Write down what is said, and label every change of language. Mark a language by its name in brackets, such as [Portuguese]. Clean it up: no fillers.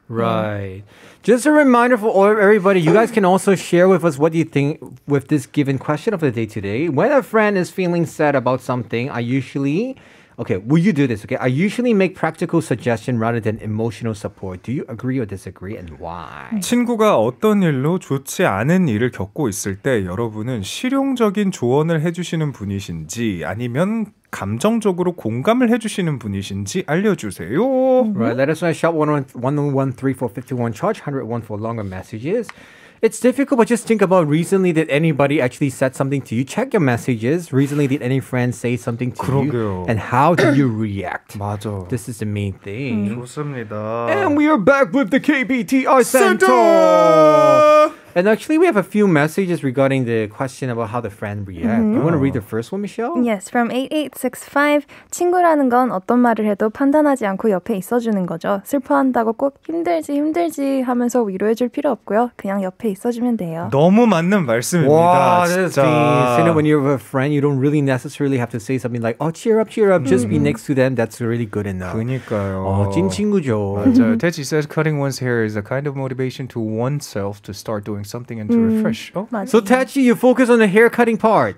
[English] Right. Just a reminder for everybody, you guys can also share with us what you think with this given question of the day today. When a friend is feeling sad about something, I usually... Okay, will you do this? Okay, I usually make practical suggestion rather than emotional support. Do you agree or disagree and why? [Korean] 친구가 어떤 일로 좋지 않은 일을 겪고 있을 때 여러분은 실용적인 조언을 해주시는 분이신지 아니면... 감정적으로 공감을 해주시는 분이신지 알려주세요. [English] Right, let us know. Shout 1013451 charge 101 for longer messages. It's difficult, but just think about recently did anybody actually said something to you? Check your messages. Recently did any friend say something to [Korean] 그러게요. [English] You? And how do you react? [Korean] 맞아. [English] This is the main thing. [Korean] 좋습니다. [English] And we are back with the KBTR Center. And actually, we have a few messages regarding the question about how the friend reacts. Mm-hmm. You want to read the first one, Michelle? Yes, from 8865. [Korean] 친구라는 건 어떤 말을 해도 판단하지 않고 옆에 있어주는 거죠. 슬퍼한다고 꼭 힘들지 힘들지 하면서 위로해줄 필요 없고요. 그냥 옆에 있어주면 돼요. 너무 맞는 말씀입니다. 와, 진짜. [English] So, you know, when you have a friend, you don't really necessarily have to say something like, oh, cheer up, cheer up. Just be next to them. That's really good enough. [Korean] 그러니까요. 어, 찐 친구죠. 맞아요. [English] Techi says cutting one's hair is a kind of motivation to oneself to start doing something and to refresh. Oh. So Tachi, you focus on the hair cutting part.